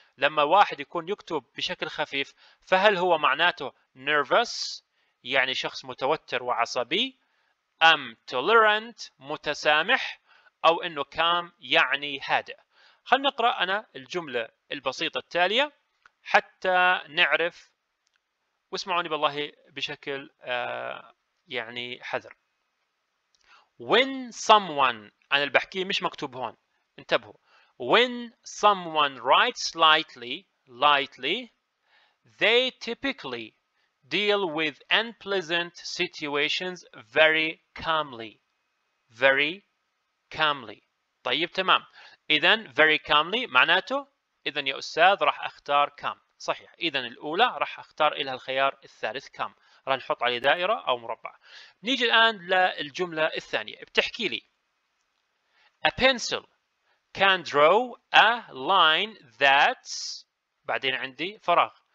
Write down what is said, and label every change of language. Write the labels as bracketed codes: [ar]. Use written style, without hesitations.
[ar] لما واحد يكون يكتب بشكل خفيف، فهل هو معناته nervous يعني شخص متوتر وعصبي، أم tolerant متسامح، أو إنه calm يعني هادئ؟ خلنا نقرأ أنا الجملة البسيطة التالية حتى نعرف، واسمعوني بالله بشكل يعني حذر. [en] When someone، [ar] أنا البحكي مش مكتوب هون، انتبهوا. [en] When someone writes lightly, they typically deal with unpleasant situations very calmly. Very calmly. [ar] طيب تمام. إذن [en] very calmly [ar] معناته، إذن يا أستاذ راح أختار calm. صحيح. إذن الأولى راح أختار إلها الخيار الثالث calm. راح نحط عليه دائرة أو مربع. نيجي الآن للجملة الثانية. بتحكي لي [en] A pencil can draw a line that's، [ar] بعدين عندي فراغ.